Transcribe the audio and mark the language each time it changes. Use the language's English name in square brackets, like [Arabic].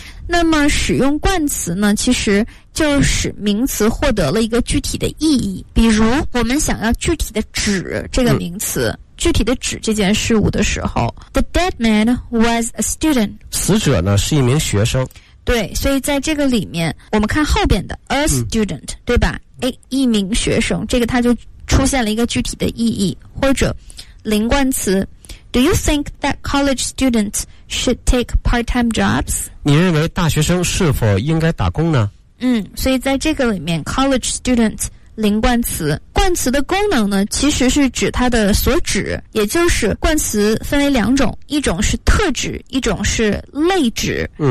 [Chinese] 那么使用冠词呢其实就使名词获得了一个具体的意义，比如我们想要具体的指这个名词，具体的指这件事物的时候， [English] The dead man was a student， [Chinese] 死者呢是一名学生。对，所以在这个里面我们看后边的 [English] a student， [Chinese] 对吧，一名学生，这个它就出现了一个具体的意义。或者零冠词， [English] Do you think that college students should take part-time jobs？ [Chinese] 你认为大学生是否应该打工呢？所以在这个里面 college student 零冠词。冠词的功能呢其实是指它的所指，也就是冠词分为两种，一种是特指，一种是类指。